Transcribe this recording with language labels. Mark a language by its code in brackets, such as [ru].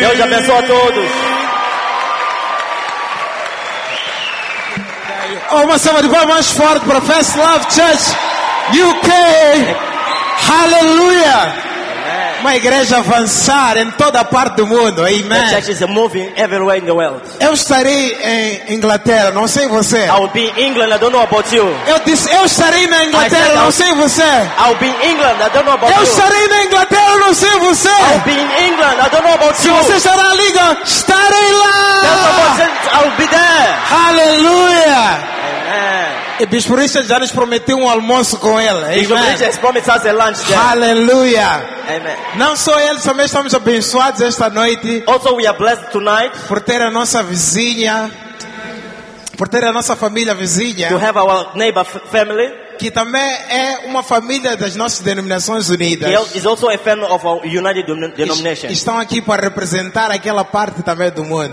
[pt] Deus te abençoe a todos. Uma salva de palmas forte para First Love Church UK. [en] Hallelujah. [pt] Uma igreja avançar em toda parte do mundo. [en] Amen. The church is moving everywhere in the world. [pt] Eu estarei em Inglaterra, não sei você. [en] I'll be in England, I don't know about you. [pt] Eu disse, eu estarei na Inglaterra, não sei você. [en] I'll be in England, I don't know about [pt] eu [en] you. [pt] Eu estarei na Inglaterra, não sei você. [en] I'll be in England, I don't know about [pt] se [en] you. [pt] Se você estará na liga, estarei lá. [en] 100%, I'll be there. Hallelujah. Amen. [pt] E Bispo Richard já nos prometeu um almoço com ele. [en] Bispo Richard has promised us a lunch there. Hallelujah. Amen. [pt] Não só ele, também estamos abençoados esta noite. [en] Also we are blessed tonight. [pt] Por ter a nossa vizinha, por ter a nossa família vizinha. [en] To have our neighbor family. [pt] Que também é uma família das nossas denominações unidas. [en] He is also a family of our United Denomination. [pt] Estão aqui para representar aquela parte também do mundo.